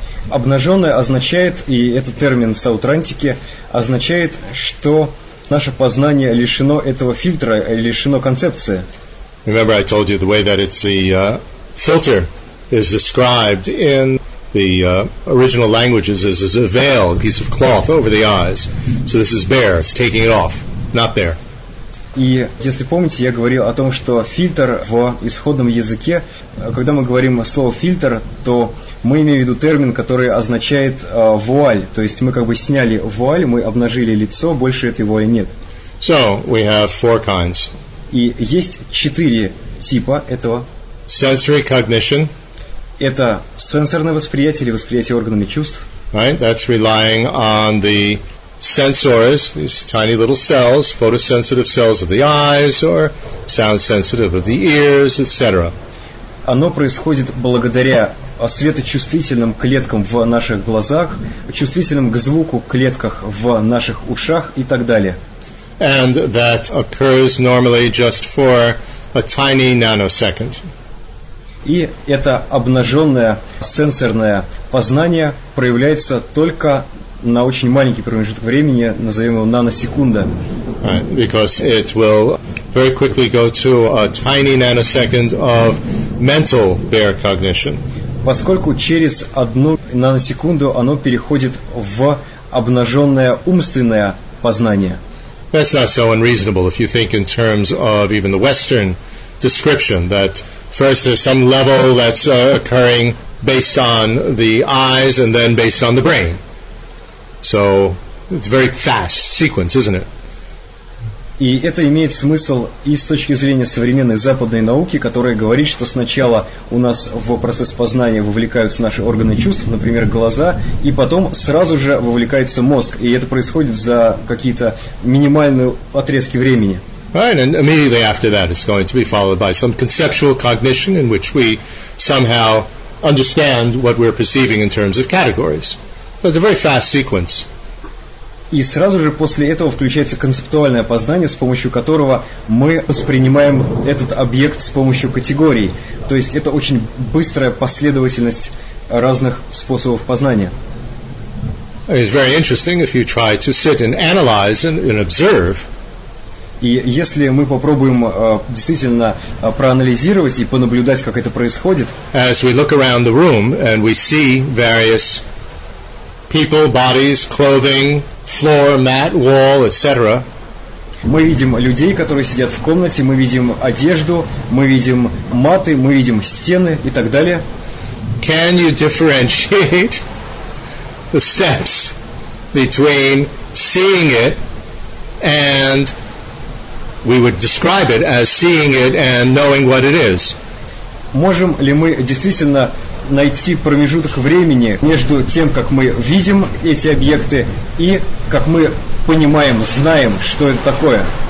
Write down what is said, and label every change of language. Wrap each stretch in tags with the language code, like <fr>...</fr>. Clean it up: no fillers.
<ru>Обнаженное означает, и этот термин Саутрантики означает, что наше познание лишено этого фильтра, лишено концепции.</ru> <en>Remember I told you the way that it's the filter is described in the original languages is a veil, a piece of cloth over the eyes. So this is bare, it's taking it off, not there.</en> <ru>И если помните, я говорил о том, что фильтр в исходном языке, когда мы говорим слово фильтр, то мы имеем в виду термин, который означает вуаль. То есть мы как бы сняли вуаль, мы обнажили лицо, больше этой вуали нет.</ru> <en>So, we have four kinds.</en> <ru>И есть четыре типа этого.</ru> <en>Sensory cognition.</en> <ru>Это сенсорное восприятие или восприятие органами чувств.</ru> <en>Right, that's relying on the sensors, these tiny little cells, photosensitive cells of the eyes or sound sensitive of the ears, etc.</en> <ru>Оно происходит благодаря светочувствительным клеткам в наших глазах, чувствительным к звуку клетках в наших ушах и так далее.</ru> <en>And that occurs normally just for a tiny nanosecond.</en> <ru>И это обнаженное сенсорное познание проявляется только на очень маленький промежуток времени, назовем его наносекунда.</ru> <en>Right, because it will very quickly go to a tiny nanosecond of mental bare cognition.</en> <ru>Поскольку через одну наносекунду оно переходит в обнаженное умственное познание.</ru> <en>That's not so unreasonable if you think in terms of even the Western description, that first there's some level that's occurring based on the eyes and then based on the brain. So it's very fast sequence, isn't it?</en> <ru>И это имеет смысл и с точки зрения современной западной науки, которая говорит, что сначала у нас в процесс познания вовлекаются наши органы чувств, например, глаза, и потом сразу же вовлекается мозг. И это происходит за какие-то минимальные отрезки времени.</ru> <en>Right, and immediately after that it's going to be followed by some conceptual cognition in which we somehow understand what we're perceiving in terms of categories. But it's a very fast sequence.</en> <ru>И сразу же после этого включается концептуальное познание, с помощью которого мы воспринимаем этот объект с помощью категорий. То есть это очень быстрая последовательность разных способов познания.</ru> <en>It's very interesting if you try to sit and analyze and observe.</en> <ru>И если мы попробуем действительно проанализировать и понаблюдать, как это происходит.</ru> <en>As we look around the room and we see various people, bodies, clothing, floor, mat, wall, etc.</en> <ru>Мы видим людей, которые сидят в комнате, мы видим одежду, мы видим маты, мы видим стены и так далее.</ru> <en>Can you differentiate the steps between seeing it and we would describe it as seeing it and knowing what it is?</en> <ru>Можем ли мы действительно найти промежуток времени между тем, как мы видим эти объекты, и как мы понимаем, знаем, что это такое?</ru>